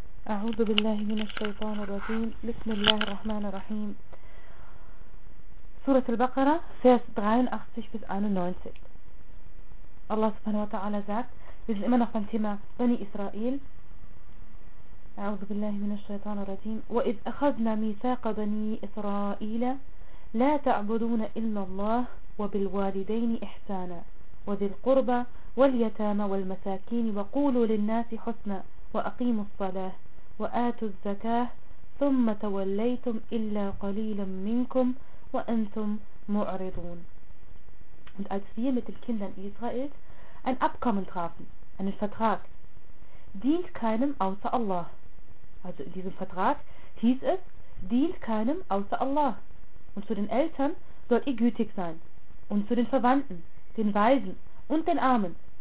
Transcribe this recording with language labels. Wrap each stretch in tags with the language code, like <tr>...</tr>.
<ar>أعوذ بالله من الشيطان الرجيم. بسم الله الرحمن الرحيم.</ar> <de>سورة البقرة Vers 83 bis 91. Allah subhanahu wa ta'ala sagt, wir sind immer noch beim Thema Bani Israel.</de> <ar>أعوذ بالله من الشيطان الرجيم. وإذ أخذنا ميثاق بني إسرائيل لا تعبدون إلا الله وبالوالدين إحسانا وذي القربى واليتامى والمساكين وقولوا للناس حسنا وأقيموا الصلاة وآتوا الزكاة ثم توليتم إلا قليلا منكم وأنتم معرضون.</ar> <de>Und als wir mit den Kindern Israels ein Abkommen trafen, einen Vertrag, dient keinem außer Allah. Also in diesem Vertrag hieß es, dient keinem außer Allah. Und zu den Eltern sollt ihr gütig sein. Und zu den Verwandten, den Weisen und den Armen.</de>